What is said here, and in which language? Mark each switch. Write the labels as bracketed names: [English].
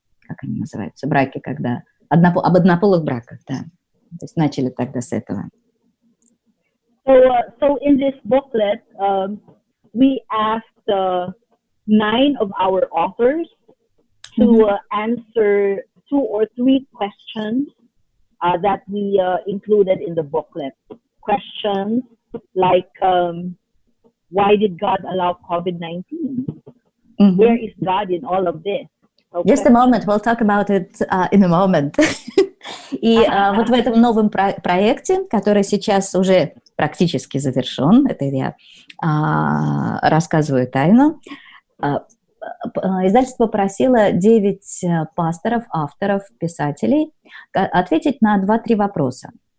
[Russian] Как они называются, браки, когда... Об однополых браках, да. То есть начали тогда с этого. [English] So in this booklet, we asked 9 of our authors to answer 2 or 3 questions that we included in the booklet. Questions like, why did God allow COVID-19? Mm-hmm. Where is God in all of this? Okay. Just a moment, we'll talk about it in a moment. [Russian] И вот в этом новом проекте, который сейчас уже практически завершен, это я рассказываю тайну, издательство просило 9 пасторов, авторов, писателей ответить на 2-3 вопроса.